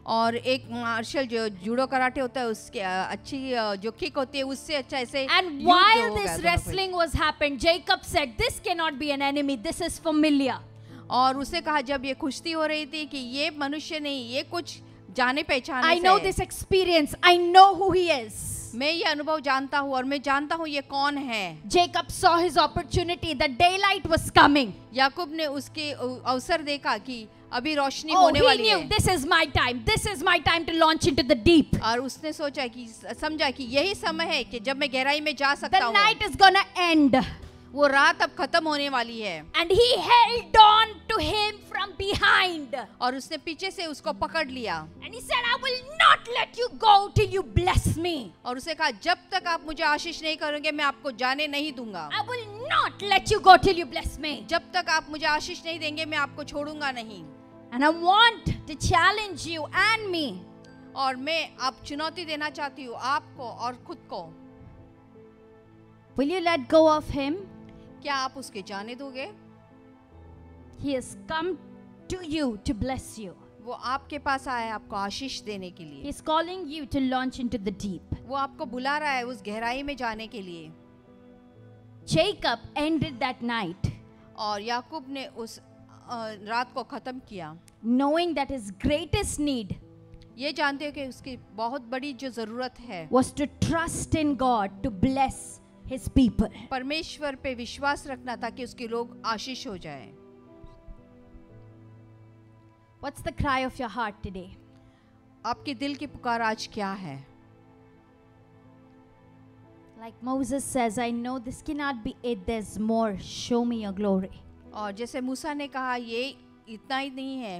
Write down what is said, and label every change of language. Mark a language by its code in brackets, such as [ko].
[hi] और एक मार्शल जो जूडो कराटे होता है उसके अच्छी जो किक होती है उससे अच्छा ऐसे. [en] And while this wrestling was happened, Jacob said, "This cannot be an enemy. This is familiar." [hi] और उसे कहा, जब ये कुश्ती हो रही थी, कि ये मनुष्य नहीं, ये कुछ जाने पहचाने से. [en] I know this experience. I know who he is. [hi] मैं ये अनुभव जानता हूँ और मैं जानता हूँ ये कौन है. [en] Jacob saw his opportunity. The daylight was coming. [hi] याकूब ने उसके अवसर देखा कि अभी रोशनी होने वाली है। [en] This is my time. This is my time to launch into the deep. [hi] और उसने सोचा कि समझा कि यही समय है कि जब मैं गहराई में जा सकता [en] हूँ। The night is gonna end. [hi] वो रात अब खत्म होने वाली है। [en] And he held on to him from behind. [hi] और उसने पीछे से उसको पकड़ लिया। [en] And he said, I will not let you go till you bless me. [hi] और उसे कहा, जब तक आप मुझे आशीष नहीं करोगे, मैं आपको जाने नहीं दूंगा। [en] I will not let you go till you bless me. [hi] जब तक आप मुझे आशीष नहीं देंगे, मैं आपको छोड़ूंगा नहीं। [en] And I want to challenge you and me. [hi] और मैं आप चुनौती देना चाहती हूँ आपको और खुद को। [en] Will you let go of him? [hi] क्या आप उसके जाने दोगे? [en] He has come to you to bless you. [hi] वो आपके पास आया है आपको आशीष देने के लिए. [en] He is calling you to launch into the deep. [hi] वो आपको बुला रहा है उस गहराई में जाने के लिए. [en] Jacob ended that night. [hi] और याकूब ने उस रात को खत्म किया. [en] Knowing that his greatest need. [hi] ये जानते हो कि उसकी बहुत बड़ी जो जरूरत है. [en] Was to trust in God to bless. His people. [hi] परमेश्वर पे विश्वास रखना था कि उसके लोग आशीष हो जाएं. [en] What's the cry of your heart today? [hi] आपके दिल की पुकार आज क्या है? [en] Like Moses says, I know this cannot be it. There's more. Show me your glory. [hi] और जैसे मूसा ने कहा, ये इतना ही नहीं है.